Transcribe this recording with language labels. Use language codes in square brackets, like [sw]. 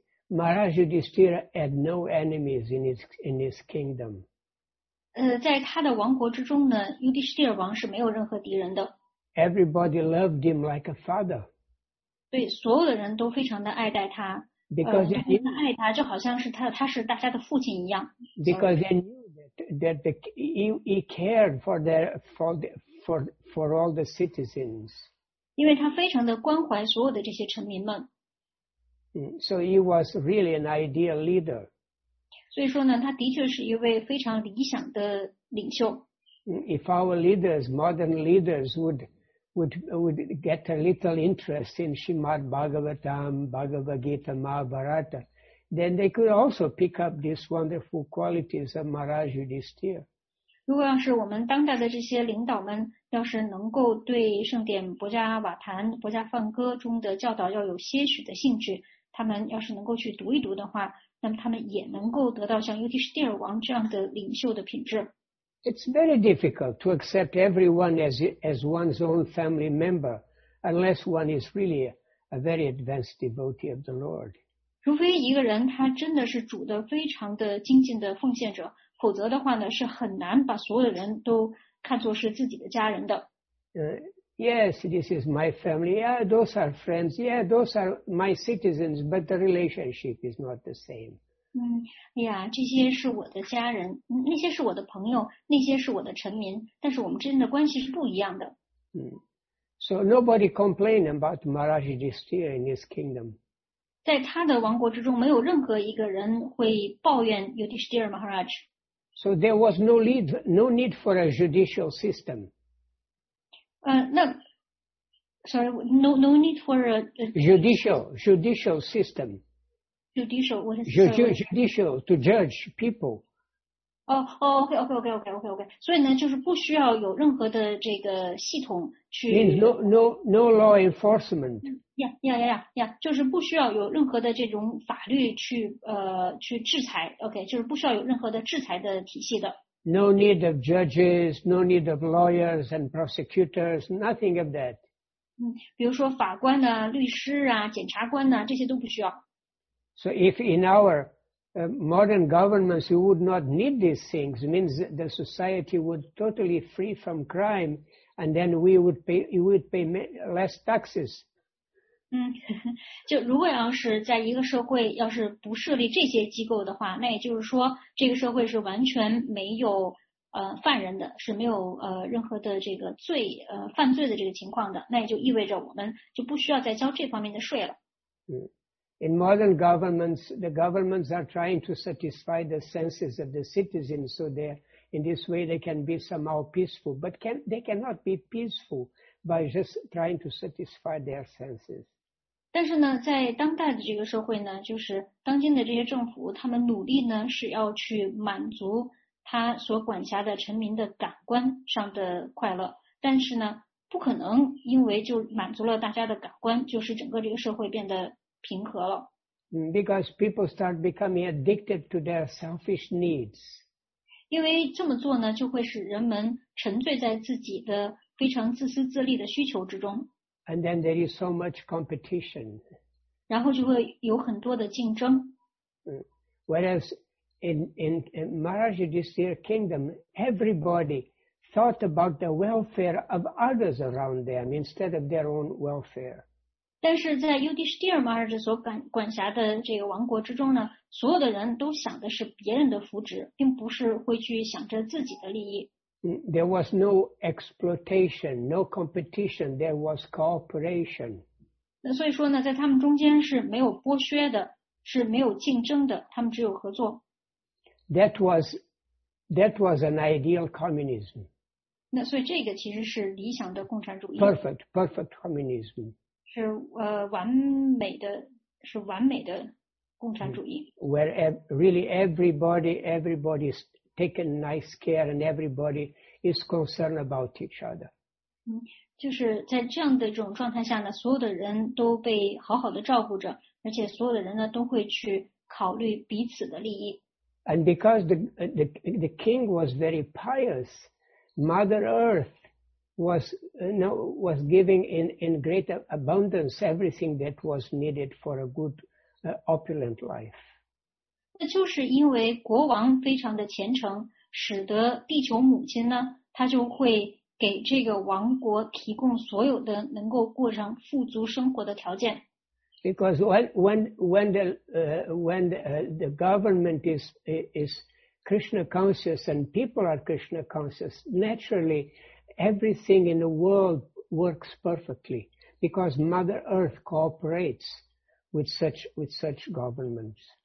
[en] Maharaj Yudhisthira had no enemies in his kingdom. [zh] 在他的王国之中呢，尤迪士帝王是没有任何敌人的。 [en] Everybody loved him like a father. [zh] 对，所有的人都非常的爱戴他。 [en] Because they knew, [zh] 爱他就好像是他是大家的父亲一样。 [en] Because they knew that he cared for all the citizens. [zh] 因为他非常的关怀所有的这些臣民们。 [en] So he was really an ideal leader. [zh] 所以说呢，他的确是一位非常理想的领袖。 [en] If our leaders, modern leaders, would get a little interest in Srimad Bhagavatam, Bhagavad Gita, Mahabharata, then they could also pick up these wonderful qualities of Maharaj Yudhisthira. [zh] 如果要是我们当代的这些领导们要是能够对圣典博迦瓦坛、博迦梵歌中的教导要有些许的兴趣，他们要是能够去读一读的话，那么他们也能够得到像尤迪士帝尔王这样的领袖的品质。 [en] It's very difficult to accept everyone as one's own family member unless one is really a very advanced devotee of the Lord. [zh] 除非一个人他真的是主的非常的精进的奉献者，否则的话呢，是很难把所有的人都看作是自己的家人的。 [en] Yes, this is my family. Yeah, those are friends. Yeah, those are my citizens. But the relationship is not the same. [zh] 哎呀，这些是我的家人，那些是我的朋友，那些是我的臣民，但是我们之间的关系是不一样的。 [en] So nobody complained about Maharaj Yudhisthira in his kingdom. [zh] 在他的王国之中，没有任何一个人会抱怨 Yudhisthira Maharaj。 [en] So there was no need for a judicial system. No need for a judicial system. Judicial, what is it? Judicial to judge people. Okay. [zh] 所以呢，就是不需要有任何的这个系统去。 [en] Means no law enforcement. [zh] Yeah, 就是不需要有任何的这种法律去制裁。 Okay, 就是不需要有任何的制裁的体系的。 [en] No need of judges, no need of lawyers and prosecutors, nothing of that. [zh] 比如说法官啊、律师啊、检察官啊，这些都不需要。 [en] So if in our modern governments you would not need these things, it means the society would totally free from crime, and then we would pay less taxes. [zh] 就如果要是在一个社会要是不设立这些机构的话，那也就是说这个社会是完全没有犯人的，是没有任何的这个罪犯罪的这个情况的，那也就意味着我们就不需要再交这方面的税了。 [en] In modern governments, the governments are trying to satisfy the senses of the citizens, so they, in this way, they can be somehow peaceful. But they cannot be peaceful by just trying to satisfy their senses. [zh] 但是呢，在当代的这个社会呢，就是当今的这些政府，他们努力呢是要去满足他所管辖的臣民的感官上的快乐，但是呢，不可能因为就满足了大家的感官，就是整个这个社会变得。平和了。 [en] Because people start becoming addicted to their selfish needs. [zh] 因为这么做呢，就会使人们沉醉在自己的非常自私自利的需求之中。 [en] And then there is so much competition. [zh] 然后就会有很多的竞争。 [en] Whereas in Maharaj Yudhisthira's kingdom, everybody thought about the welfare of others around them instead of their own welfare. [zh] 但是在尤迪士帝尔马尔之所管辖的这个王国之中呢，所有的人都想的是别人的福祉，并不是会去想着自己的利益。 [en] There was no exploitation, no competition, there was cooperation. [zh] 那所以说呢，在他们中间是没有剥削的，是没有竞争的，他们只有合作。 [en] That was an ideal communism. [zh] 那所以这个其实是理想的共产主义。 [en] Perfect communism. [zh] 是完美的，是完美的共产主义。 [en] Where really everybody is taken nice care and everybody is concerned about each other. [zh] 就是在这样的这种状态下呢，所有的人都被好好的照顾着，而且所有的人呢都会去考虑彼此的利益。 [en] And because the king was very pious, Mother Earth. Was giving in great abundance everything that was needed for a good opulent life. [zh] 那就是因为国王非常的虔诚，使得地球母亲呢，她就会给这个王国提供所有的能够过上富足生活的条件。 [en] Because when the government is Krishna conscious and people are Krishna conscious, naturally everything in the world works perfectly because Mother Earth cooperates with such governments.